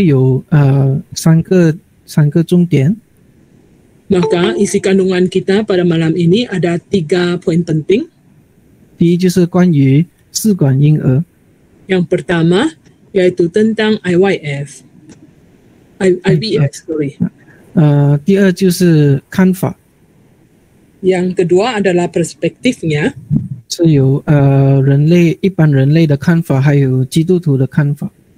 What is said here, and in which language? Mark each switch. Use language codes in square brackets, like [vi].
[zh] 所以我们的目录将会有三个重点。 [ms] Maka isi kandungan kita pada malam ini ada tiga poin penting. [zh] 第一就是关于试管婴儿。 [ms] Yang pertama, yaitu tentang IVF. [en] IVF, sorry. [zh] 第二就是看法。 [ms] Yang kedua adalah perspektifnya. [zh] 是由一般人类的看法还有基督徒的看法。